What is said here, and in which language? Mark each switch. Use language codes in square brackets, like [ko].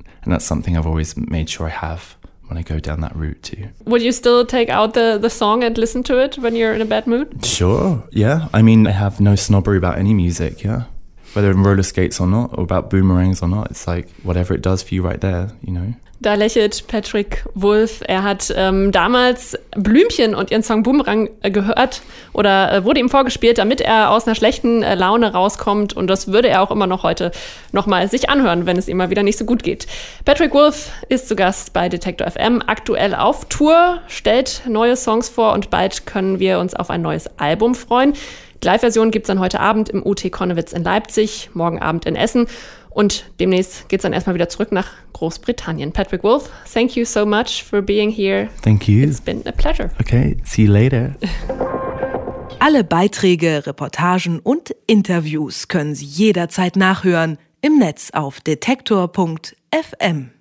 [en] And that's something I've always made sure I have when I go down that route too. Would you still take out the song and listen to it when you're in a bad mood? Sure, yeah. I mean, I have no snobbery about any music, yeah. Whether in roller skates or not, or about boomerangs or not, it's like whatever it does for you right there, you know. [de] Da lächelt Patrick Wolf. Er hat damals Blümchen und ihren Song Boomerang gehört oder wurde ihm vorgespielt, damit er aus einer schlechten Laune rauskommt. Und das würde er auch immer noch heute nochmal sich anhören, wenn es ihm mal wieder nicht so gut geht. Patrick Wolf ist zu Gast bei Detektor FM, aktuell auf Tour, stellt neue Songs vor und bald können wir uns auf ein neues Album freuen. Die Live-Version gibt es dann heute Abend im UT Connewitz in Leipzig, morgen Abend in Essen. Und demnächst geht's dann erstmal wieder zurück nach Großbritannien. [en] Patrick Wolf, thank you so much for being here. Thank you. It's been a pleasure. Okay, see you later. [de] Alle Beiträge, Reportagen und Interviews können Sie jederzeit nachhören im Netz auf detektor.fm.